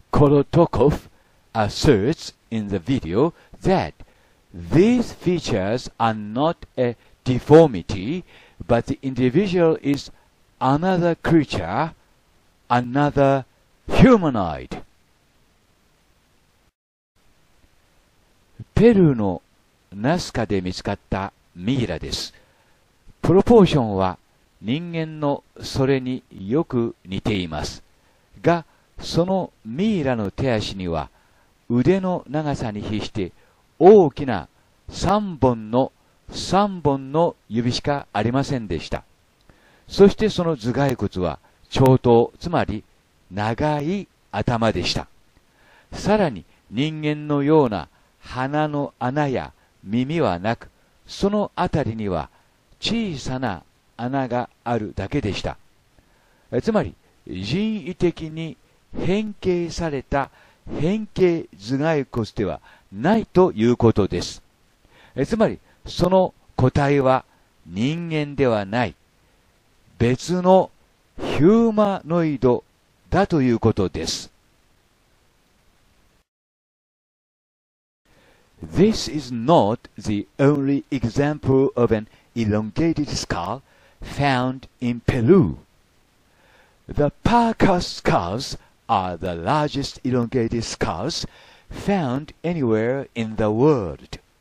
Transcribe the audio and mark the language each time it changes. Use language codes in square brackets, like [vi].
[en] Kolotokov asserts in the video that these features are not a deformity, but the individual is another creature, another humanoid. [ja] ペルーのナスカで見つかったミイラです。プロポーションは人間のそれによく似ています。が、そのミイラの手足には腕の長さに比して大きな3本の指しかありませんでした。そしてその頭蓋骨は長頭、つまり長い頭でした。さらに人間のような鼻の穴や耳はなく、そのあたりには小さな穴があるだけでした。つまり人為的に変形された変形頭蓋骨ではないということです。つまりその個体は人間ではない、別のヒューマノイドだということです。 [en] This is not the only example of an elongated skull found in Peru. The Parker skulls are the largest elongated skulls found anywhere in the world.